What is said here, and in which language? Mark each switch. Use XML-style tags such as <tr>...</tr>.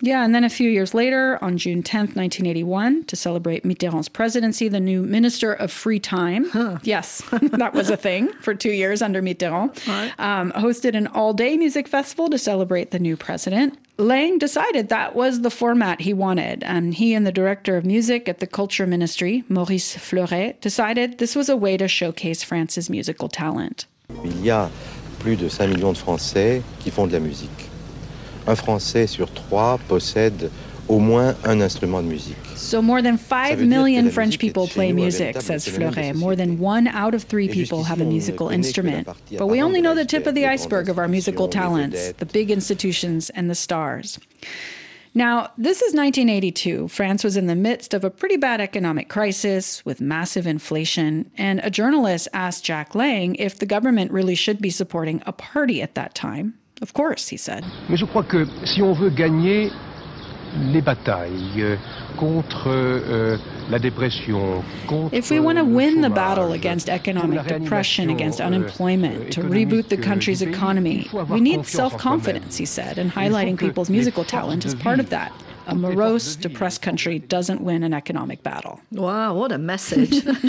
<en>Yeah, and then a few years later, on June 10th, 1981, to celebrate Mitterrand's presidency, the new Minister of Free Time, yes, that was a thing for 2 years under Mitterrand, hosted an all-day music festival to celebrate the new president. Lang decided that was the format he wanted, and he and the director of music at the culture ministry, Maurice Fleuret, decided this was a way to showcase France's musical talent.</en> <fr>Il y a plus de 5 millions de Français qui font de la musique. Un Français sur trois possède au moins un instrument de musique.</fr> <en>So more than 5 million French people play music, says Fleuret. More than one out of three people have a musical instrument. But we only know the tip of the iceberg of our musical talents, the big institutions and the stars. Now, this is 1982. France was in the midst of a pretty bad economic crisis with massive inflation. And a journalist asked Jack Lang if the government really should be supporting a party at that time. Of course, he said.</en> <fr>Mais je crois que si on veut gagner les batailles contre la dépression, contre</fr> <en>if we want to win the battle against economic depression, against unemployment, to reboot the country's economy, we need self-confidence, he said, and highlighting people's musical talent is part of that. A morose, depressed country doesn't win an economic battle. Wow, what a message.</en>